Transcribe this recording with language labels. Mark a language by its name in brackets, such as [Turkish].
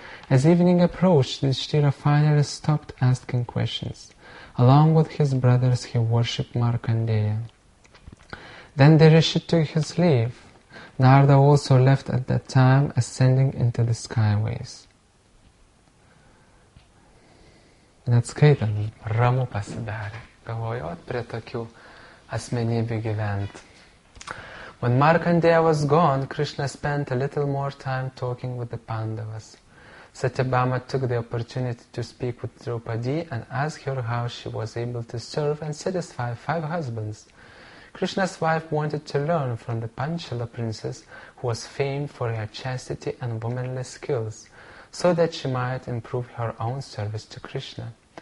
[English] As evening approached, Yudhishthira finally stopped asking questions. Along with his brothers, he worshipped Markandeya. Then the Rishi took his leave. Narada also left at that time, ascending into the skyways. [Lithuanian] Net skaitant, ramu pasidarė. Galvojo, prie tokių asmenybių gyvent. [English] When Markandeya was gone, Krishna spent a little more time talking with the Pandavas. Satyabhama took the opportunity to speak with Draupadi and ask her how she was able to serve and satisfy 5 husbands. Krishna's wife wanted to learn from the Panchala princess, who was famed for her chastity and womanly skills, so that she might improve her own service to Krishna.